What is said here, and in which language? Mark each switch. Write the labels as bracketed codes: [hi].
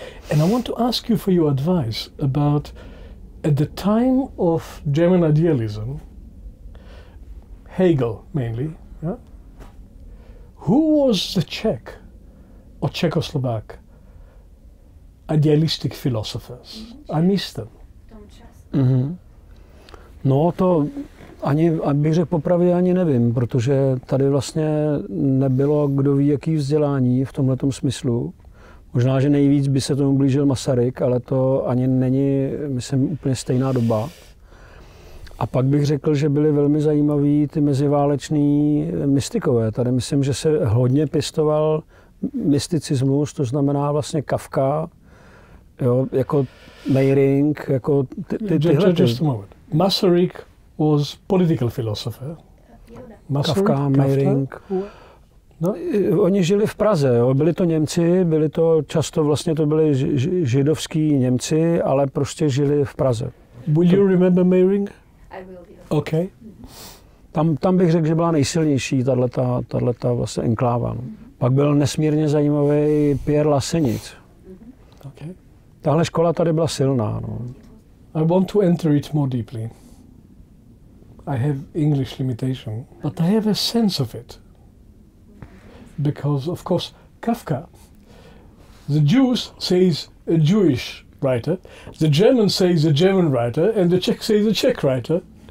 [en] And I want to ask you for your advice about, at the time of German idealism, Hegel mainly, yeah? Who was the Czech or Czechoslovak idealistic philosophers? I miss them. Mm-hmm. [cs] No to ani, abych řekl popravdě, ani nevím, protože tady vlastně nebylo, kdo ví, jaký vzdělání v tomhletom smyslu. Možná, že nejvíc by se tomu blížil Masaryk, ale to ani není, myslím, úplně stejná doba. A pak bych řekl, že byly velmi zajímavý ty meziválečný mystikové. Tady myslím, že se hodně pěstoval mysticismus, to znamená vlastně Kafka, jo, jako Meyring, jako tyhle. [en] Just a moment. Masaryk was political philosopher. [cs] Kafka, Meyring. No, oni žili v Praze, jo. Byli to Němci, byli to často vlastně to byli židovský Němci, ale prostě žili v Praze. [en] Will you remember Meyring? I will. Okay. [cs] Tam bych řekl, že byla nejsilnější tato vlastně enkláva. Pak byl nesmírně zajímavý Pjér la Šé'z. [en] Okay. [cs] Tahle škola tady byla silná, no. [en] I want to enter it more deeply. I have English limitation, but I have a sense of it. Because, of course, Kafka, the Jews say he's a Jewish writer, the Germans say he's a German writer, and the Czechs say he's a Czech writer.